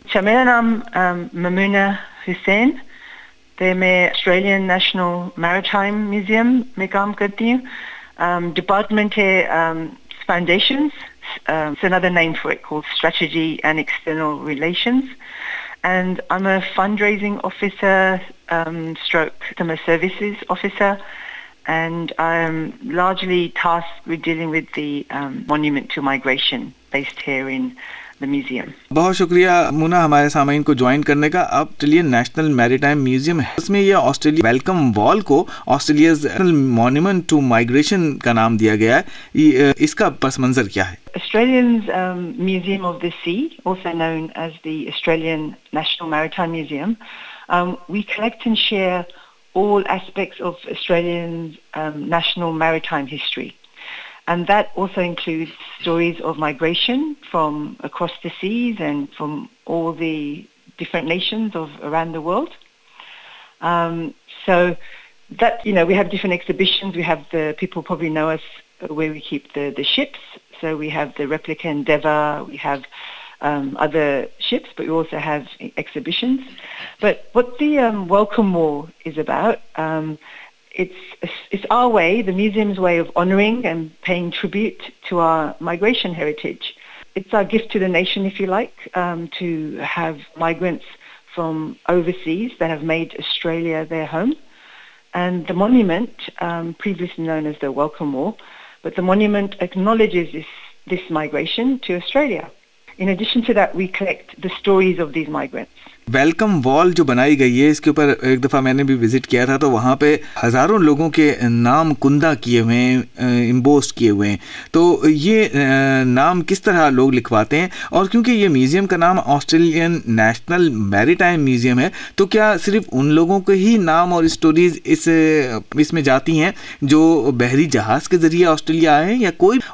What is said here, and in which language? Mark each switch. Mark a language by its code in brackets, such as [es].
[hi] अच्छा, मेरा नाम ममूना हुसैन, मैं ऑस्ट्रेलियन नेशनल मैरिटाइम म्यूजियम में काम करती हूँ. [en] Department है foundations, it's another name for it called strategy and external relations. And I am a fundraising officer stroke customer services officer. And I'm largely tasked with dealing with the monument to migration based here in the museum. [hi] बहुत शुक्रिया मुना हमारे सामने को join करने का. अब Australian national maritime museum है, उसमें यह ऑस्ट्रेलिया वेलकम वॉल को ऑस्ट्रेलिया मॉन्यूमेंट टू माइग्रेशन का नाम दिया गया है. इसका पस मंजर क्या है? [en] Australian museum of the sea, also known as the Australian national maritime museum, we collect and share all aspects of Australian's national maritime history. And that also includes stories of migration from across the seas and from all the different nations of around the world. So that, you know, we have different exhibitions. We have the, people probably know us where we keep the ships. So we have the replica Endeavour, we have other ships, but we also have exhibitions. But what the Welcome Wall is about, it's our way, the museum's way of honouring and paying tribute to our migration heritage. It's our gift to the nation, if you like, to have migrants from overseas that have made Australia their home. And the monument, previously known as the Welcome Wall, but the monument acknowledges this migration to Australia. In addition to that, we collect the stories of these migrants. [hi] Welcome wall जो बनाई गई है, इसके ऊपर एक दफ़ा मैंने भी विजिट किया था, तो वहाँ पे हज़ारों लोगों के नाम कुंदा किए हुए हैं, इम्बोस्ट किए हुए हैं. तो ये नाम किस तरह लोग लिखवाते हैं? और क्योंकि ये म्यूज़ियम का नाम ऑस्ट्रेलियन नेशनल मैरिटाइम म्यूज़ियम है, तो क्या सिर्फ उन लोगों के ही नाम और स्टोरीज इसमें जाती हैं जो बहरी जहाज़ के ज़रिए ऑस्ट्रेलिया आए, या कोई